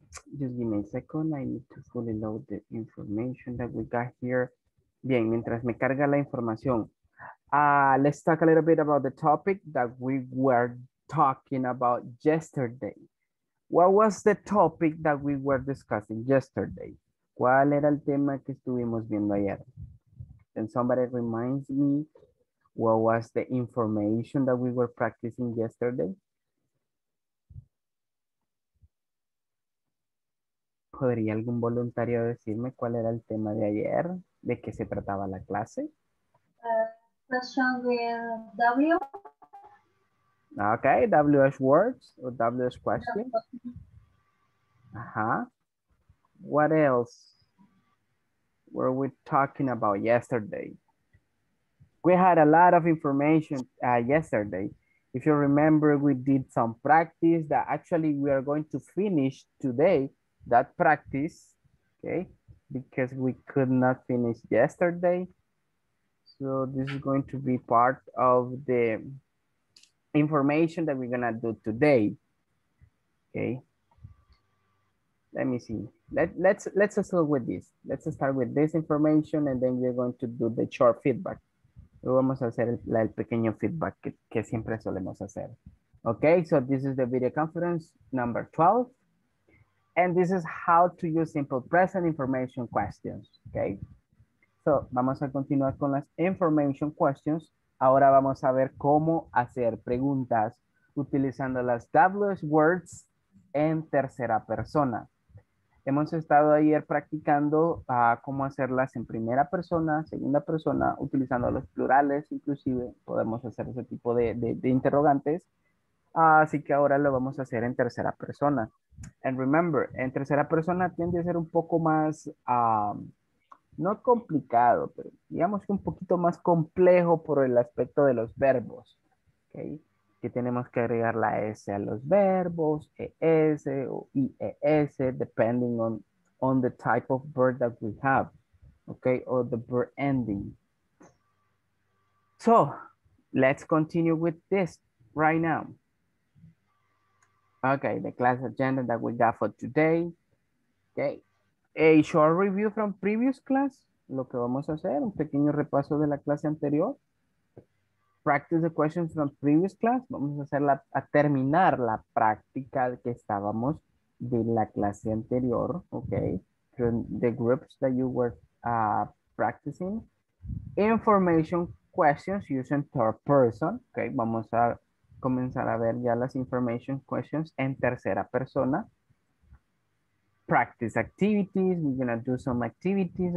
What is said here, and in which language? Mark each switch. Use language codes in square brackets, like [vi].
[en] Just give me a second. I need to fully load the information that we got here. [es] Bien, mientras me carga la información. [en] Let's talk a little bit about the topic that we were talking about yesterday. What was the topic that we were discussing yesterday? [es] ¿Cuál era el tema que estuvimos viendo ayer? [en] Can somebody remind me what was the information that we were practicing yesterday? [es] ¿Podría algún voluntario decirme cuál era el tema de ayer? ¿De qué se trataba la clase? [en] Question with W. Okay, WH words or WH questions. What else were we talking about yesterday? We had a lot of information yesterday. If you remember, we did some practice that actually we are going to finish today, that practice, okay? Because we could not finish yesterday. So this is going to be part of the information that we're gonna do today. Okay, let me see. Let's start with this. Let's start with this information and then we're going to do the short feedback. [es] Vamos a hacer el pequeño feedback que siempre solemos hacer. [en] Okay, so this is the video conference number 12. And this is how to use simple present information questions. Okay, [es] So, vamos a continuar con las information questions. Ahora vamos a ver cómo hacer preguntas utilizando las WH words en tercera persona. Hemos estado ayer practicando cómo hacerlas en primera persona, segunda persona, utilizando los plurales, inclusive podemos hacer ese tipo de interrogantes. Así que ahora lo vamos a hacer en tercera persona. [en] And remember, [es] en tercera persona tiende a ser un poco más, no complicado, pero digamos que un poquito más complejo por el aspecto de los verbos. ¿Okay? Que tenemos que agregar la S a los verbos, ES o IES, [en] depending on the type of verb that we have. [es] ¿Okay? [en] Or the verb ending. So, let's continue with this right now. Okay, the class agenda that we got for today. Okay, a short review from previous class. [es] Lo que vamos a hacer, un pequeño repaso de la clase anterior. [en] Practice the questions from previous class. [es] Vamos a hacer a terminar la práctica que estábamos de la clase anterior. [en] Okay, from the groups that you were practicing. Information questions using third person. [es] Okay, vamos a comenzar a ver ya las information questions en tercera persona. [en] Practice activities. We're going to do some activities.